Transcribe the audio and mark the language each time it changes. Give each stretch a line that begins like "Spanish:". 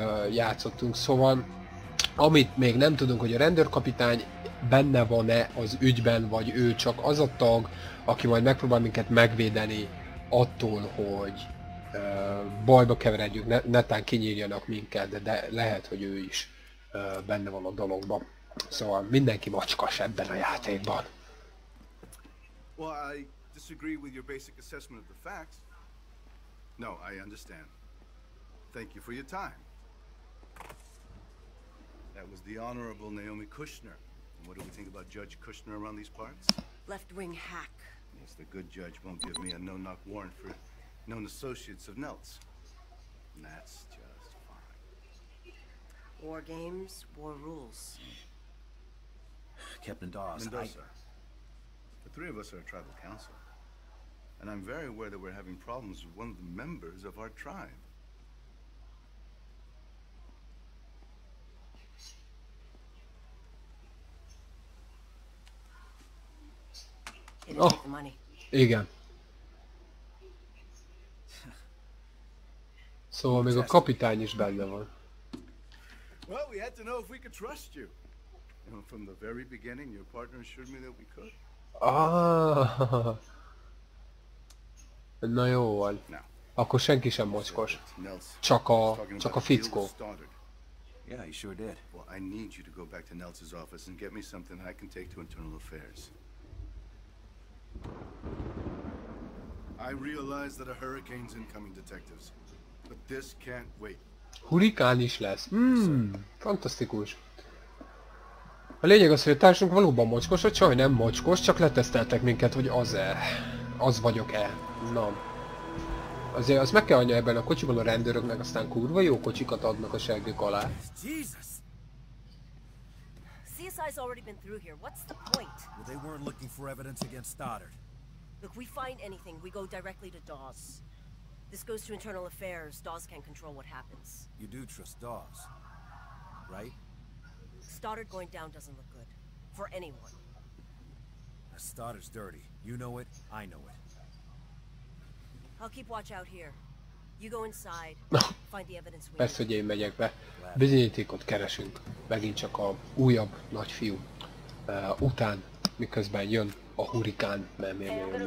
Hungarian: játszottunk, szóval amit még nem tudunk, hogy a rendőrkapitány benne van-e az ügyben, vagy ő csak az a tag, aki majd megpróbál minket megvédeni attól, hogy bajba keveredjük, netán kinyírjanak minket, de lehet, hogy ő is benne van a dologban. Szóval mindenki macskas ebben a játékban.
English: Well, I disagree with your basic assessment of the facts. No, I understand. Thank you for your time. That was the Honorable Naomi Kushner. And what do we think about Judge Kushner around these parts? Left-wing hack. Yes, the good judge won't give me a no-knock warrant for known associates of Nelts. And that's just fine. War games, war rules. Captain Dawes, Mendoza. The three of us are a tribal council. And I'm very aware that we're having problems with one of the members of our tribe.
Hungarian: Oh, igen. Szóval még a kapitány is benne van.
English: Well, we had to know if we could trust you. And from the very beginning, your partner assured me that we could.
Hungarian: Ah. Na jó van. Akkor senki sem mocskos. Csak a fickó.
English: Yeah, he sure did. Well, I need you to go back to Nelts' office and get me something I can take to internal affairs. I realize that a hurricane's incoming, detectives, but this can't wait.
Hungarian: Hurrikán is lesz. Fantasztikus. A lényeg az, hogy a társunk valóban mocskos, a csaj nem mocskos, csak leteszteltek minket, hogy az-e. Az vagyok-e. Na. Azért az meg kell adni ebben a kocsiban a rendőröknek, aztán kurva jó kocsikat adnak a seggük alá.
English: Jesus! CSI's already been through here. What's the point? Well, they weren't looking for evidence against Stoddard. Look, we find anything, we go directly to Dawes. This goes to internal affairs. Dawes can't control what happens. You do trust Dawes, right? Stoddard going down doesn't look good. For anyone. Stoddard's dirty. You know it, I know it. I'll keep watch out here. You go inside, find the evidence we need.
Hungarian: Persze, hogy én megyek be. Bizonyítékot keresünk. Megint csak a újabb nagyfiú után, miközben jön a hurrikán, mert miért jön